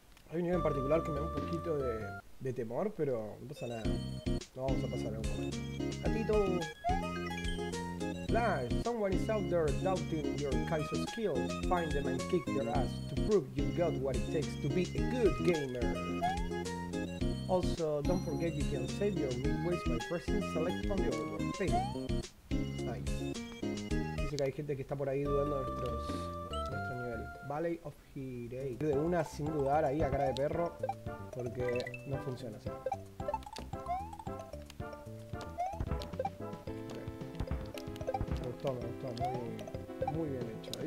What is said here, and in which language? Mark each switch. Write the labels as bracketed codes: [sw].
[es] Hay un nivel en particular que me da un poquito de temor, pero no pasa nada. Lo vamos a pasar en algún momento. ¡Gatito! [en] Flash, someone is out there doubting your Kaizo skills. Find them and kick their ass to prove you've got what it takes to be a good gamer. Also, don't forget you can save your midways by pressing select from the other one. Hey. Nice. [es] Dice que hay gente que está por ahí dudando de nuestro nivel. Valley of Hirei. De una sin dudar ahí a cara de perro, porque no funciona así. Me gustó, muy bien hecho.